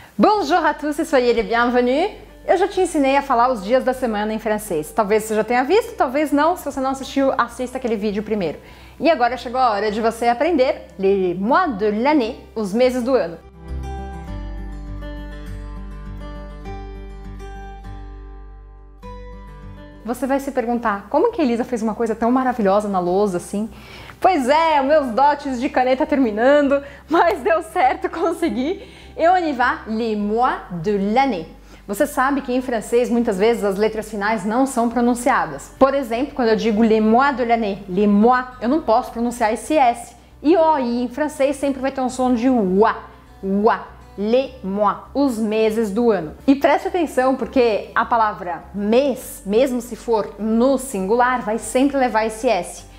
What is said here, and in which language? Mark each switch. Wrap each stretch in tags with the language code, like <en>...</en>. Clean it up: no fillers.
<fr>Bonjour à tous, soyez les bienvenus.</fr> <pt>Eu já te ensinei a falar os dias da semana em francês. Talvez você já tenha visto, talvez não. Se você não assistiu, assista aquele vídeo primeiro. E agora chegou a hora de você aprender</pt> <fr>les mois de l'année,</fr> <pt>os meses do ano. Você vai se perguntar, como que a Elisa fez uma coisa tão maravilhosa na lousa assim? Pois é, meus dotes de caneta terminando, mas deu certo, consegui.</pt> <fr>Et on y va, les mois de l'année.</fr> <pt>Você sabe que em francês, muitas vezes, as letras finais não são pronunciadas. Por exemplo, quando eu digo</pt> <fr>les mois de l'année, les mois,</fr> <pt>eu não posso pronunciar esse S. E o I em francês sempre vai ter um som de wa, wa.</pt> <fr>Les mois,</fr> <pt>os meses do ano. E preste atenção, porque a palavra mês, mesmo se for no singular, vai sempre levar esse S.</pt>